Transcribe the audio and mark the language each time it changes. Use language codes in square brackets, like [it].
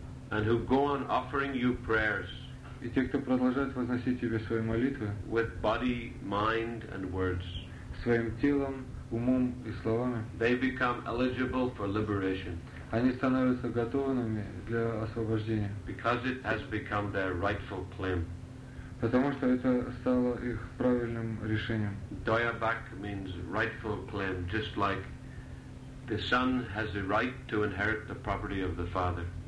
[en] and who go on offering you prayers, [ru] и те, кто продолжает возносить тебе свои молитвы, [en] with body, mind, and words, [ru] своим телом, умом и словами, [en] they become eligible for liberation. [ru] Они становятся готовыми для освобождения. [en] Because it has become their rightful claim. [ru] Потому что это стало их правильным решением. [en] Dayabak means rightful claim, just like the son has a right to inherit the property of the father.